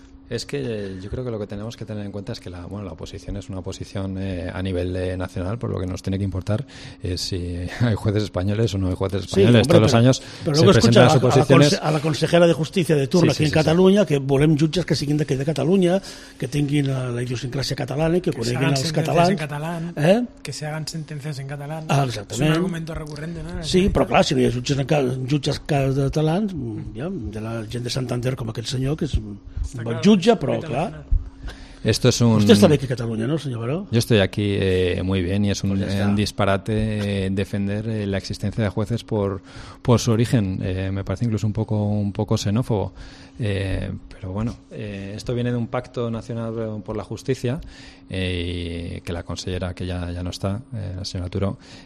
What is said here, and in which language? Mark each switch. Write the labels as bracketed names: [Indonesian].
[Spanish] Es que yo creo que lo que tenemos que tener en cuenta es que la oposición es una oposición a nivel nacional, por lo que nos tiene que importar si hay jueces españoles o no hay jueces españoles. Sí, hombre, todos los años se presentan las oposiciones. A la consejera de justicia de turno aquí en Cataluña, sí. [Catalan] Que volem jutges que siguin de Catalunya, que tinguin la idiosincrasia catalana i que coneguin els catalans. [Spanish] En catalán, que se hagan sentencias en catalán. [Catalan] Exactament. [Spanish] És un argumento recurrente, no? [Catalan] Sí, però clar, si no hi ha jutges catalans, ja, de la gent de Santander com aquest senyor, que és un bon jutge. Jutge, però clar. [Spanish] Esto es un... Usted está aquí en Cataluña, ¿no, señor Baró? Yo estoy aquí muy bien y es un disparate defender la existencia de jueces por su origen. Me parece incluso un poco xenófobo. Pero bueno, esto viene de un pacto nacional por la justicia y que la consellera, que ya no está, la señora Turó...